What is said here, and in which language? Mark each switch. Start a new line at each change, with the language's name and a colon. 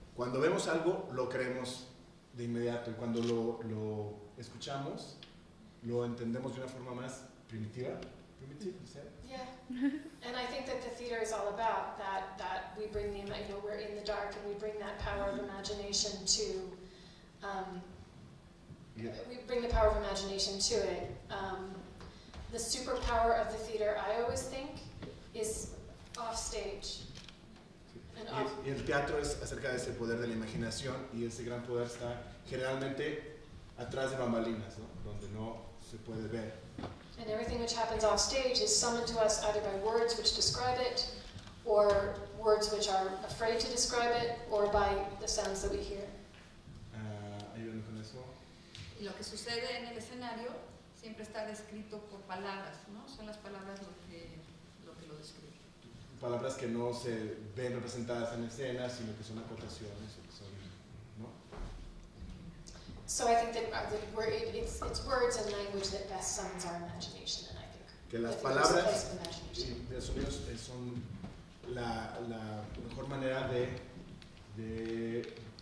Spanish: Cuando vemos algo lo creemos de inmediato, y cuando lo escuchamos, lo entendemos de una forma más primitiva,
English: primitive, you said? Yeah. And I think that the theater is all about that, that we bring the, you know, we're in the dark and we bring that power of imagination to, we bring the power of imagination to it. The superpower of the theater, I always think, is off stage.
Spanish: Y el teatro es acerca de ese poder de la imaginación y ese gran poder está generalmente atrás de bambalinas, ¿no? Donde no se puede ver.
English: And everything which happens off stage is summoned to us either by words which describe it, or words which are afraid to describe it, or by the sounds that we hear.
Spanish: Ayúdame con eso. Y lo que sucede en el escenario siempre está descrito por palabras, ¿no? Son las palabras lo que lo describe. Palabras que no se ven representadas en escena, sino que son acotaciones, son, ¿no?
English: So I think that it's words and language that best sums our imagination, and I think
Spanish: que las palabras de sonidos son la mejor manera de